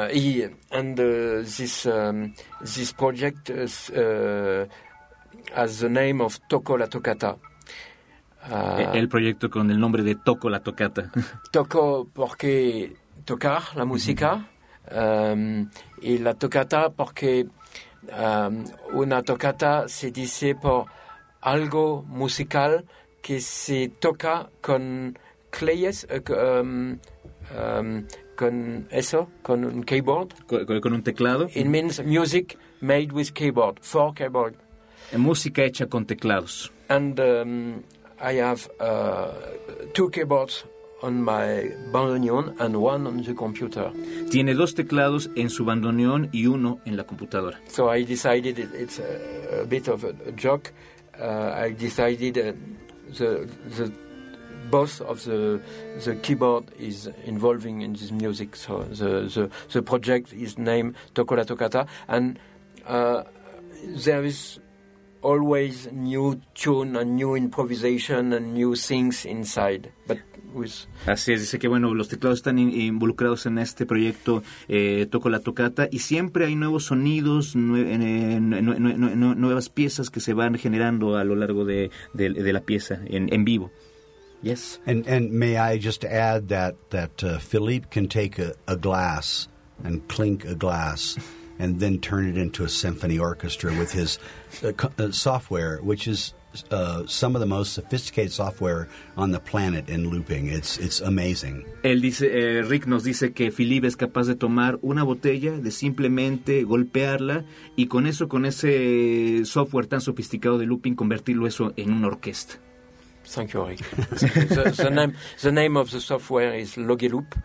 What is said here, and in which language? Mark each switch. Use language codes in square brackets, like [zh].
[en] This project has the name of Toco la Tocata. [es] El proyecto con el nombre de Toco la Tocata. Toco porque tocar la música, mm-hmm. Y la tocata porque una tocata se dice por algo musical que se toca con claves, con eso, con un keyboard. Con un teclado. [en] It means music made with keyboard, for keyboard. [es] Música hecha con teclados. [en] And I have two keyboards on my bandoneon and one on the computer. [es] Tiene dos teclados en su bandoneón y uno en la computadora. [en] So I decided it's a bit of a joke. I decided the both of the keyboard is involving in this music. So the project is named Toco la Tocata, and there is always new tune and new improvisation and new things inside. But [es] así es, dice que bueno, los teclados están involucrados en este proyecto Toco la Tocata y siempre hay nuevos sonidos, nuevas piezas que se van generando a lo largo de la pieza en vivo. [en] Yes. And may I just add that Philippe can take a glass and clink a glass and then turn it into a symphony orchestra with his software, which is some of the most sophisticated software on the planet in looping. It's amazing. [es] Él dice, Rick nos dice que Philippe es capaz de tomar una botella, de simplemente golpearla, y con eso, con ese software tan sofisticado de looping, convertirlo eso en una orquesta. [en] Thank you, Rick. the name of the software is Logiloop.